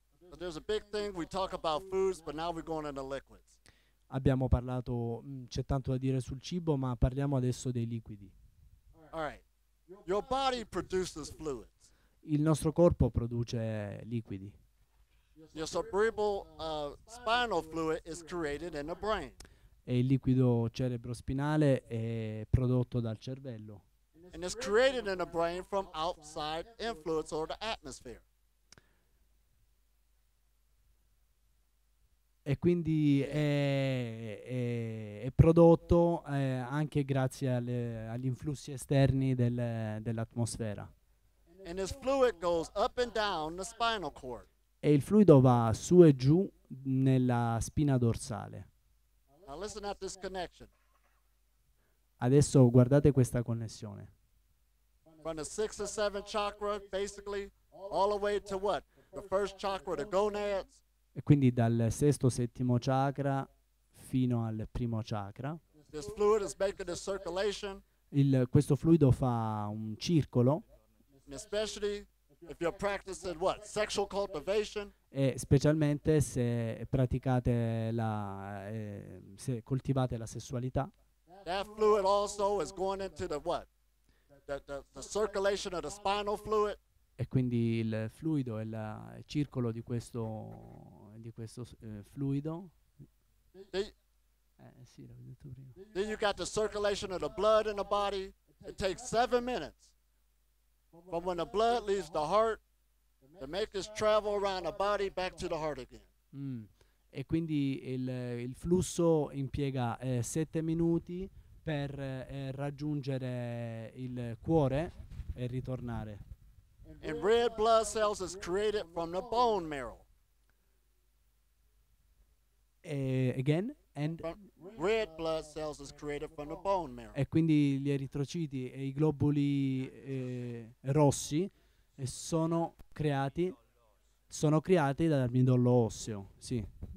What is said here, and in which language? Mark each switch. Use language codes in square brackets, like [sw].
[en] But there's a big thing, we talk about foods, but now we're going into liquids. [it] Abbiamo parlato, c'è tanto da dire sul cibo, ma parliamo adesso dei liquidi. [en] All right. Your body produces fluids. [it] Il nostro corpo produce liquidi. [en] Your cerebral spinal fluid is created in the brain. [it] E il liquido cerebrospinale è prodotto dal cervello. [en] And it's created in the brain from outside influence or the atmosphere. [it] E quindi è prodotto anche grazie agli influssi esterni dell'atmosfera. [en] And this fluid goes up and down the spinal cord. [it] e il fluido va su e giù nella spina dorsale. [en] Now listen at this connection. [it] Adesso guardate questa connessione. [en] From the sixth or seventh chakra, basically, all the way to what? The first chakra, the gonads. [it] E quindi dal sesto settimo chakra fino al primo chakra. [en] This fluid is making a circulation. [it] Questo fluido fa un circolo. [en] And especially if you're practicing what? Sexual cultivation. [it] E specialmente se praticate la se coltivate la sessualità. [en] That fluid also is going into the what? The circulation of the spinal fluid. [it] E quindi il fluido e il circolo di questo fluido. Sì, l'ho detto prima. [en] Then you got the circulation of the blood in the body. It takes 7 minutes from when the blood leaves the heart to make its travel around the body back to the heart again. [it] E quindi il flusso impiega 7 minuti per raggiungere il cuore e ritornare. [en] And red blood cells is created from the bone marrow. Again, and red blood cells is created from the bone marrow. [it] E quindi gli eritrociti e i globuli rossi sono creati dal midollo osseo, sì.